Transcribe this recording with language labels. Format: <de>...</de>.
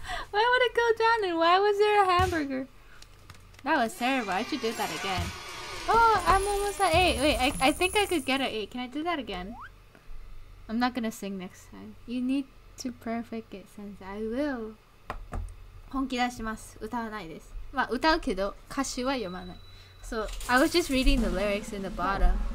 <en>Why would it go down and why was there a hamburger? That was terrible. I should do that again. Oh, I'm almost at 8. Wait, I think I could get an 8. Can I do that again? I'm not gonna sing next time. You need to perfect it, since I will.</en> <ja>本気出します。歌わないです。まあ、歌うけど、歌詞は読まない。</ja> <en>So, I was just reading the lyrics in the bottom.</en>